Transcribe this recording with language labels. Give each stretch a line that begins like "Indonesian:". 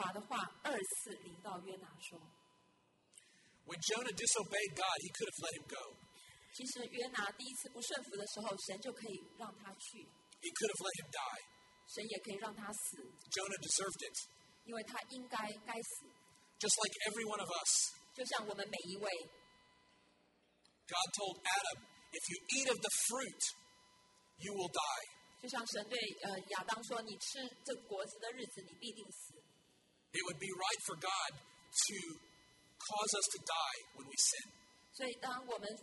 Chinese: 这里说耶和华的话二次临到约拿说,
English: when Jonah disobeyed God, he could have let him go.
Chinese: 其实约拿第一次不顺服的时候,
English: he could have let him die.
Chinese: 神也可以让他死,
English: Jonah deserved it.
Chinese: 因为他应该该死,
English: just like every one of us.
Chinese: 就像我们每一位,
English: God told Adam, if you eat of the fruit, you will die.
Chinese: 就像神对亚当说,你吃这果子的日子,你必定死。
English: It would be right for God to cause us to die when we sin.